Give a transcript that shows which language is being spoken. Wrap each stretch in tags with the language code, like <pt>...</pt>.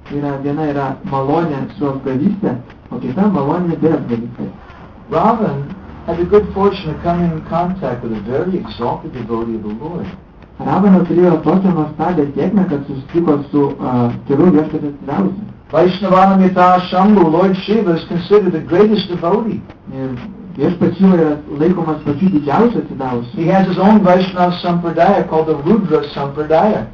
<en>Robin had the good fortune of coming in contact with a very exalted devotee of the Lord.</en> <lt>Ravana turėjo tokią nuostabią sėkmę, kad susitiko su tėvu viešpaties tarnavusiu.</lt> <en>Vaishnavanamita Shambhu, Lord Shiva, is considered the greatest devotee.</en> <lt>Viešpats Shiva yra laikomas pačiu didžiausiu tarnavusiu.</lt> <en>He has his own Vaishnava Sampradaya called the Rudra Sampradaya.</en>